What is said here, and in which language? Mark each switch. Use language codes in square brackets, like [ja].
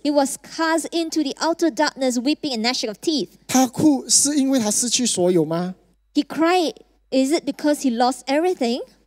[en] He was cast into the outer darkness, weeping and gnashing of teeth. [zh] 他哭是因为他失去所有吗? [en] He cried, is it because he lost everything?